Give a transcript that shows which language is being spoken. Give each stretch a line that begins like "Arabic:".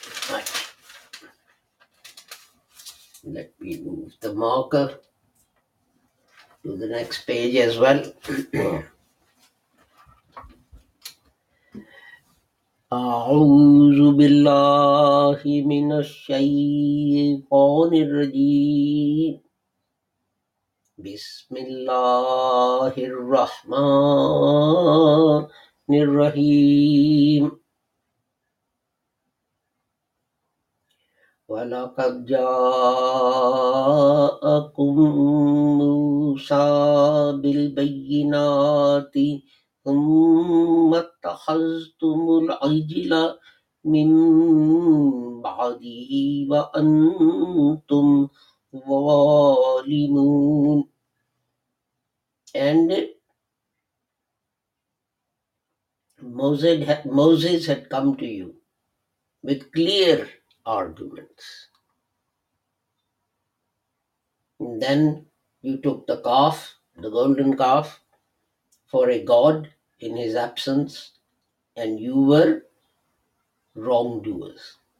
English: Right. Let me move the marker to the next page as well.
Arabic: أعوذ بالله من الشيطان الرجيم بسم الله الرحمن الرحيم ولقد جاءكم موسى بالبينات ثم اتخذتم العجل من بعده وأنتم ظالمون.
English: And Moses had come to you with clear arguments. And then you took the calf, the golden calf, for a god in his absence, and you were wrongdoers.